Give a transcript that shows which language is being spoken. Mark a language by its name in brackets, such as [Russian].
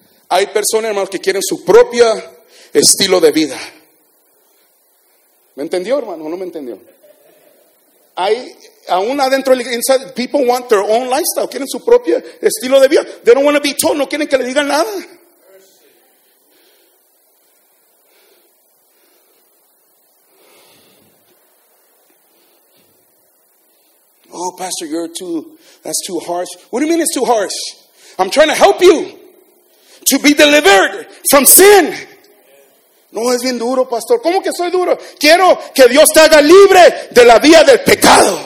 [Spanish] Hay personas, hermanos, que quieren su propio estilo de vida. ¿Me entendió, hermano? ¿No me entendió? Hay, aún adentro, [English] inside, people want their own lifestyle. [Spanish] Quieren su propio estilo de vida. [English] They don't want to be told. [Spanish] No quieren que le digan nada. [English] Oh, pastor, you're too, that's too harsh. What do you mean it's too harsh? I'm trying to help you to be delivered from sin. [Spanish] No, es bien duro, pastor. ¿Cómo que soy duro? Quiero que Dios te haga libre de la vía del pecado.